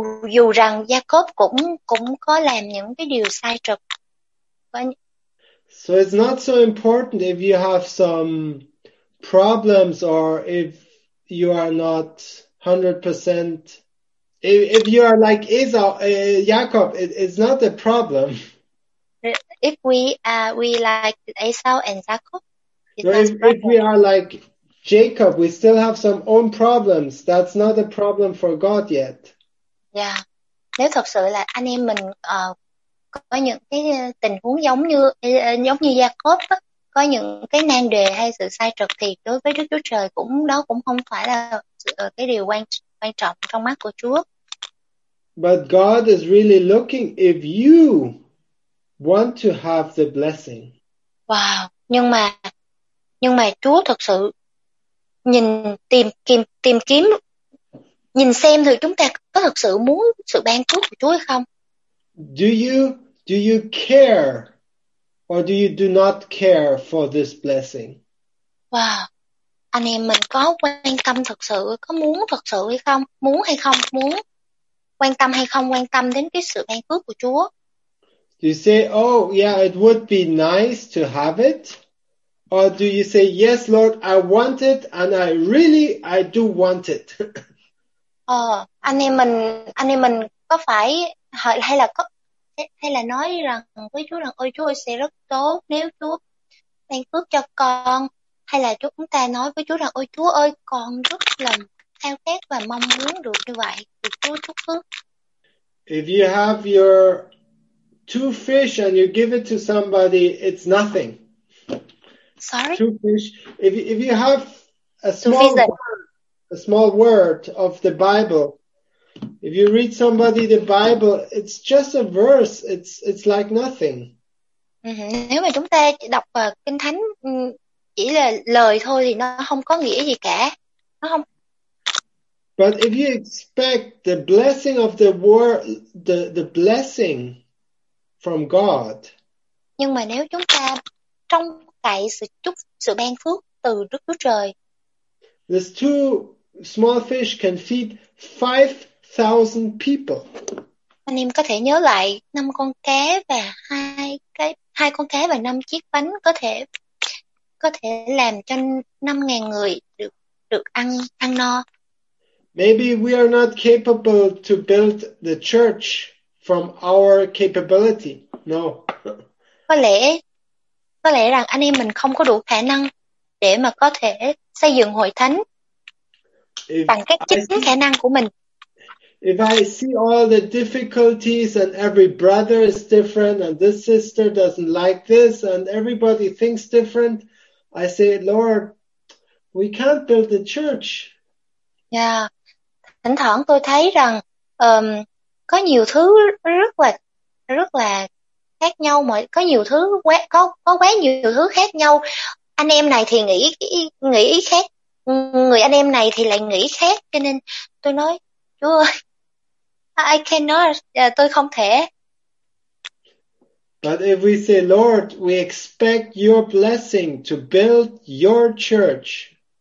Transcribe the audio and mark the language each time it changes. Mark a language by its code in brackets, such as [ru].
[vi] Dù rằng Jacob cũng có làm những cái điều sai trật. [en] So it's not so important if you have some problems or if you are not 100%. If you are like Esau, Jacob, it's not a problem. If we like Esau and Jacob, if we are like Jacob, we still have some own problems. That's not a problem for God yet. Yeah. [vi] Nếu thật sự là anh em mình có những cái tình huống giống như Jacob, có những cái nan đề hay sự sai trật thì đối với Đức Chúa Trời cũng đó cũng không phải là cái điều quan trọng trong mắt của Chúa. [en] But God is really looking if you want to have the blessing. [vi] Wow, nhưng mà Chúa thực sự nhìn tìm kiếm nhìn xem thử chúng ta có thực sự muốn sự ban phước của Chúa hay không. [en] Do you care or do you do not care for this blessing? Wow. [vi] Anh em mình có quan tâm thực sự, có muốn thực sự hay không? Muốn hay không? Muốn quan tâm hay không quan tâm đến cái sự ban phước của Chúa? [en] Do you say, oh yeah, it would be nice to have it? Or do you say, yes, Lord, I want it and I do want it? [vi] anh em mình có phải hay là nói rằng với Chúa rằng ôi Chúa ơi, sẽ rất tốt nếu Chúa ban phước cho con, hay là chúng ta nói với Chúa rằng ôi Chúa ơi, con rất là khao khát và mong muốn được như vậy, được Chúa chúc phước. [en] If you have your two fish and you give it to somebody, it's nothing. Sorry. Two fish. If you have a small word of the Bible, if you read somebody the Bible, it's just a verse. It's like nothing. [vi] Nếu mà chúng ta đọc Kinh Thánh chỉ là lời thôi thì nó không có nghĩa gì cả. Nó không. [en] But if you expect the blessing of the word, the blessing from God. [vi] Nhưng mà nếu chúng ta trông cậy sự ban phước từ Đức Chúa Trời. [en] There's two small fish can feed 5,000 people. [vi] Anh em có thể nhớ lại năm con cá và hai con cá và năm chiếc bánh có thể làm cho 5,000 người được ăn no. [en] Maybe we are not capable to build the church from our capability. No. [vi] Có lẽ rằng anh em mình không có đủ khả năng để mà có thể xây dựng hội thánh bằng các chính khả năng của mình. [en] If I see all the difficulties and every brother is different and this sister doesn't like this and everybody thinks different, I say, Lord, we can't build the church. Yeah. [vi] Thỉnh thoảng tôi thấy rằng có nhiều thứ rất là khác nhau, mà có nhiều thứ quá nhiều thứ khác nhau. Anh em này thì nghĩ ý khác, người anh em này thì lại nghĩ khác, cho nên tôi nói, Chúa ơi, [en] I cannot, [vi] tôi không thể. [en] But if we say, Lord, we expect your blessing to build your church.